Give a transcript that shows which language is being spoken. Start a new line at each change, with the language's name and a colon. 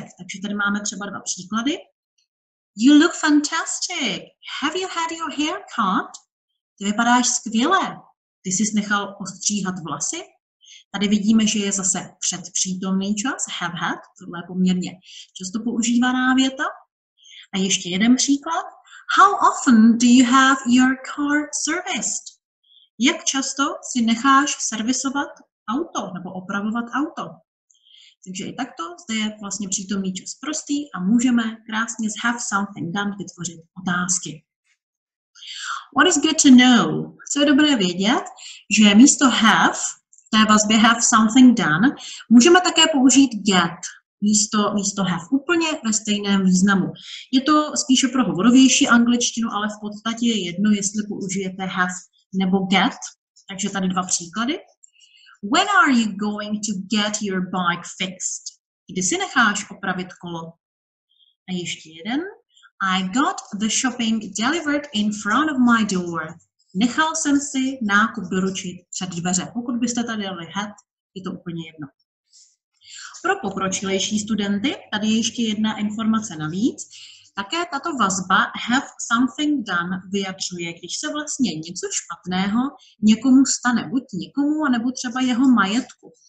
Czech: Takže tady máme třeba dva příklady.
English: You look fantastic. Have you had your hair cut?
Czech: Ty vypadáš skvěle. Ty jsi nechal ostříhat vlasy? Tady vidíme, že je zase předpřítomný čas. Have had. Tohle je poměrně často používaná věta. A ještě jeden příklad.
English: How often do you have your car serviced?
Czech: Jak často si necháš servisovat auto nebo opravovat auto? Takže i takto, zde je vlastně přítomný čas prostý a můžeme krásně z have something done vytvořit otázky.
English: What is good to know?
Czech: Co je dobré vědět, že místo have, v té vazbě have something done, můžeme také použít get. Místo have úplně ve stejném významu. Je to spíše pro hovorovější angličtinu, ale v podstatě je jedno, jestli použijete have nebo get. Takže tady dva příklady.
English: When are you going to get your bike fixed?
Czech: Kdy si necháš opravit kolo? A ještě jeden.
English: I got the shopping delivered in front of my door.
Czech: Nechal jsem si nákup doručit před dveře. Pokud byste tady dali had, je to úplně jedno. pro pokročilejší studenty, tady je ještě jedna informace navíc, také tato vazba have something done vyjadřuje, když se vlastně něco špatného někomu stane, buď někomu, anebo třeba jeho majetku.